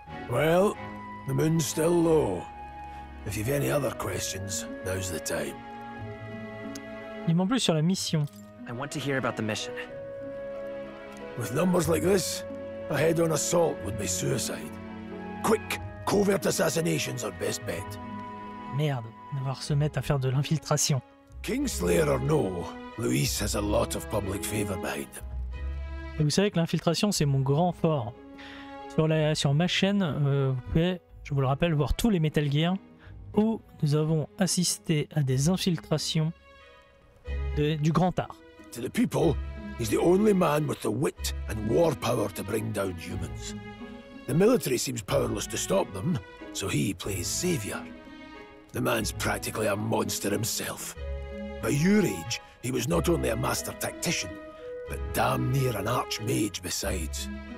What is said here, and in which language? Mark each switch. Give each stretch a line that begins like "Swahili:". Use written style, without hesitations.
English: Well, the moon's still low. If you've any other questions, now's the time.
French: Il m'en plus sur la mission.
English: I want to hear about the mission. With numbers like this, a head-on assault would be suicide. Quick, covert assassinations are best bet.
French: Merde, devoir se mettre à faire de l'infiltration.
English: Kingslayer or no, Luis has a lot of public favor behind him.
French: Et vous savez que l'infiltration, c'est mon grand fort. Sur ma chaîne, vous pouvez, je vous le rappelle, voir tous les Metal Gear où nous avons assisté à des infiltrations du grand art.
English: To the people, he's the only man with the wit and war power to bring down humans. The military seems powerless to stop them, so he plays savior. The man's practically a monster himself. By your age, he was not only a master tactician, but damn near an archmage besides.